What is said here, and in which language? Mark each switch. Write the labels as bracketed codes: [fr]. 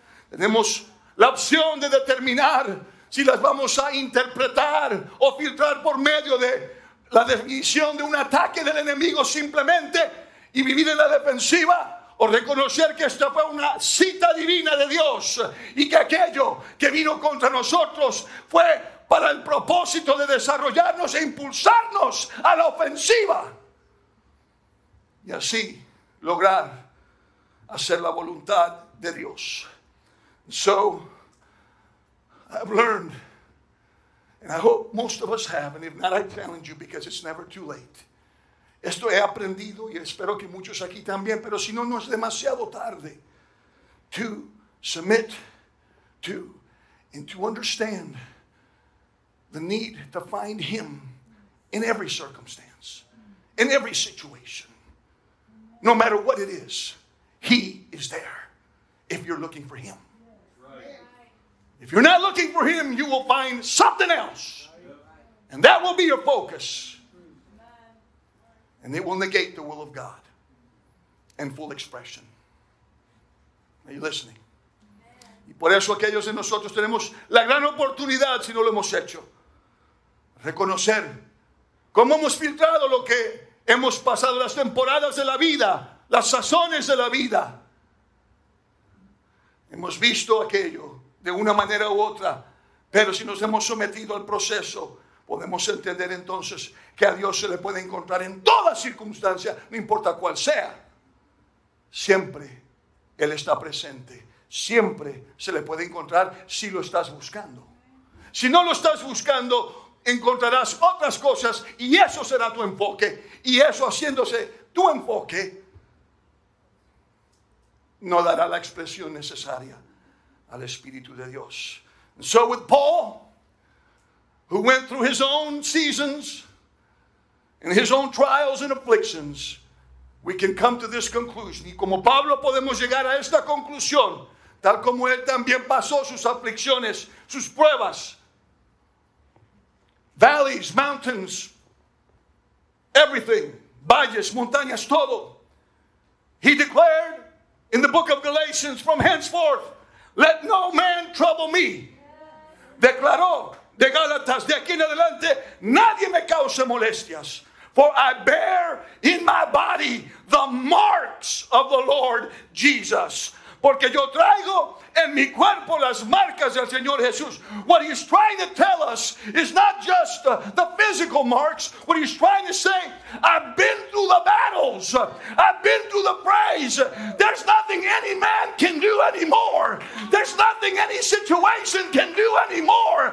[es] Tenemos la opción de determinar si las vamos a interpretar o filtrar por medio de la definición de un ataque del enemigo simplemente y vivir en la defensiva, o reconocer que esta fue una cita divina de Dios y que aquello que vino contra nosotros fue para el propósito de desarrollarnos e impulsarnos a la ofensiva y así lograr hacer la voluntad de Dios. [en] So, I've learned, and I hope most of us have, and if not, I challenge you because it's never too late. [es] Esto he aprendido y espero que muchos aquí también, pero si no, no es demasiado tarde. [en] To submit to and to understand the need to find him in every circumstance, in every situation. No matter what it is, he is there if you're looking for him. If you're not looking for him, you will find something else. And that will be your focus. And it will negate the will of God and full expression. Are you listening? [es] Y por eso aquellos de nosotros tenemos la gran oportunidad, si no lo hemos hecho, reconocer cómo hemos filtrado lo que hemos pasado, las temporadas de la vida, las sazones de la vida. Hemos visto aquello de una manera u otra, pero si nos hemos sometido al proceso, podemos entender entonces que a Dios se le puede encontrar en toda circunstancia, no importa cuál sea. Siempre Él está presente. Siempre se le puede encontrar si lo estás buscando. Si no lo estás buscando, encontrarás otras cosas y eso será tu enfoque. Y eso haciéndose tu enfoque, no dará la expresión necesaria al Espíritu de Dios. [en] And so with Paul, who went through his own seasons and his own trials and afflictions, we can come to this conclusion. [es] Y como Pablo podemos llegar a esta conclusión, tal como él también pasó sus aflicciones, sus pruebas, [en] valleys, mountains, everything, [es] valles, montañas, todo. [en] He declared in the book of Galatians, from henceforth, let no man trouble me. [es] Declaró de Gálatas, de aquí en adelante, nadie me cause molestias. [en] For I bear in my body the marks of the Lord Jesus. [es] Porque yo traigo en mi cuerpo las marcas del Señor Jesús. [en] What he's trying to tell us is not just the physical marks. What he's trying to say, I've been through the battles. I've been through the praise. There's nothing any man can do anymore. There's nothing any situation can do anymore.